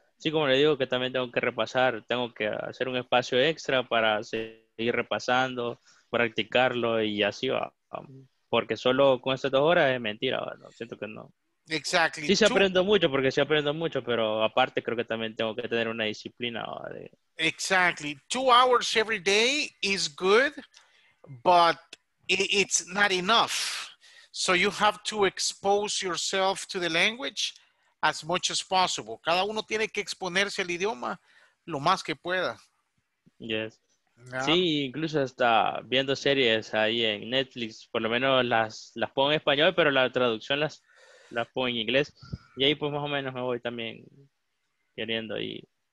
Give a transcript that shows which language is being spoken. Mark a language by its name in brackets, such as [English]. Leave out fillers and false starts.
[Spanish] Sí, como le digo, que también tengo que repasar, tengo que hacer un espacio extra para seguir repasando, practicarlo y así va. Porque solo con estas 2 horas es mentira, ¿no? Siento que no. [English] Exactly. [Spanish] Sí, se aprendo mucho, porque sí aprendo mucho, pero aparte creo que también tengo que tener una disciplina. ¿Vale? [English] Exactly. 2 hours every day is good, but it's not enough. So you have to expose yourself to the language as much as possible. [Spanish] Cada uno tiene que exponerse al idioma lo más que pueda. [English] Yes. [Spanish] Yeah. Sí, incluso hasta viendo series ahí en Netflix, por lo menos las pongo en español, pero la traducción las pongo en inglés. Y ahí pues más o menos me voy también queriendo y...